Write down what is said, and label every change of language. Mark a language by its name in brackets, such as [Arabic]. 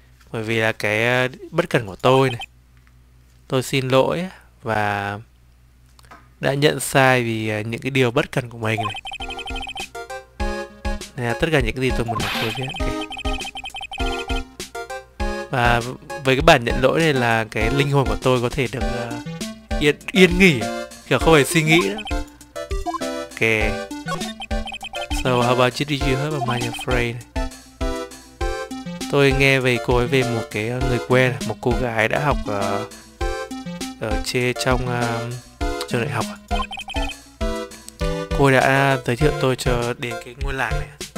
[Vietnamese] Bởi vì là cái bất cẩn của tôi này. Tôi xin lỗi và đã nhận sai vì những cái điều bất cẩn của mình này. Nên là tất cả những cái gì tôi muốn nói với các bạn. Và với cái bản nhận lỗi này là cái linh hồn của tôi có thể được yên nghỉ, kiểu không phải suy nghĩ nữa. Ok. [English] So how about you, did you hear about my friend? [Vietnamese] Tôi nghe về cô ấy, về một cái người quen, một cô gái đã học ở trên trong trường đại học. Cô đã giới thiệu tôi cho đến cái ngôi làng này.